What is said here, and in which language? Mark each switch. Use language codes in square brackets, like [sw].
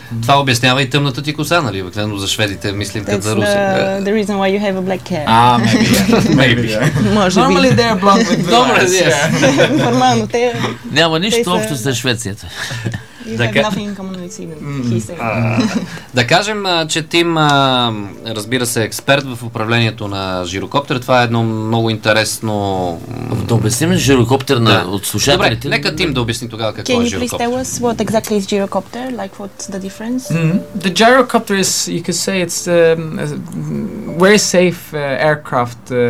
[bg] Това обяснява и тъмната ти коса, нали? Но за шведите мислим като за руси. [en] The reason why you have a black hair. Maybe. Normally they are blonde with the eyes. [bg] Нормално, те... Няма нищо общо с Швецията. [en] You have nothing in common with Sweden, he said. [bg] Да кажем, че Тим, разбира се, експерт в управлението на жирокоптер. Това е едно много интересно... Да обясним жирокоптер на отслушателите. Добре, нека Тим да обясни тогава какво е жирокоптер. [en] Can you please tell us what exactly is gyrocopter? Like, what's the difference? The gyrocopter is, you could say, it's a very safe aircraft.